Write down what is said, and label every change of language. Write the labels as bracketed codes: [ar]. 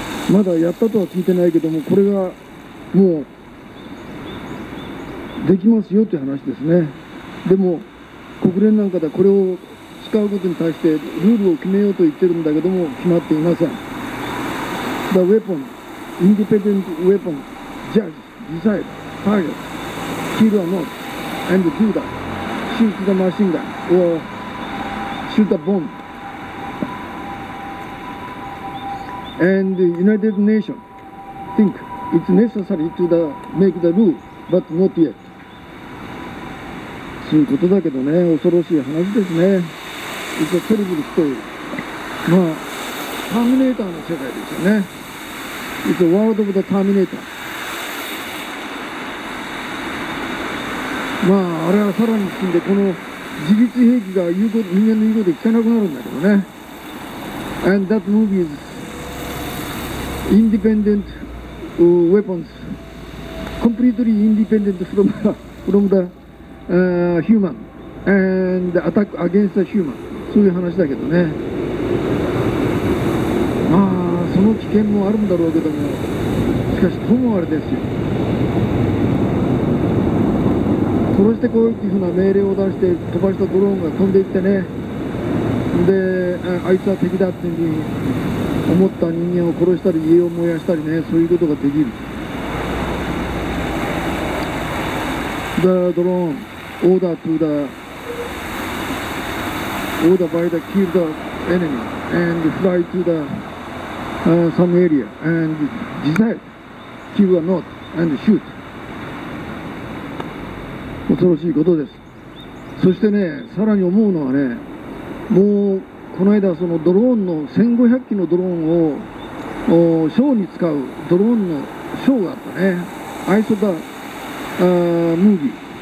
[ja] まだやったとは聞いてないけども、これがもうできますよという話ですね。でも国連なんかではこれを使うことに対してルールを決めようと言ってるんだけども、決まっていません。 [en] The weapon, independent weapon, judge, decide, target, kill or not, and do that. Shoot the machine gun or shoot the bomb. And the United Nations think it's necessary to the, make the rule, but not yet. [ja] そういうことだけどね、恐ろしい話ですね。 [en] It's a terrible story. [ja] まあ、ターミネーターの世界ですよね。 [en] It's a world of the Terminator. [ja] まあ、あれはさらに進んで、この自律兵器が人間の言うことで聞かなくなるんだけどね。 [en] And that movie isIndependent weapons, completely independent from the human and attack against the human. [ja] そういう話だけどね。まあ、その危険もあるんだろうけども、しかし、ともあれですよ。殺してこいっていうふうな命令を出して飛ばしたドローンが飛んでいってね。で、あいつは敵だっていうふうに思った人間を殺したり、家を燃やしたりね、そういうことができる。 [en] The drone order to the order by the kill the enemy and fly to the some area and decide kill or not and shoot。 [ja] 恐ろしいことです。そしてね、さらに思うのはね、もうこの間、そのドローンの1500機のドローンをショーに使うドローンのショーがあったね。アイソダムービー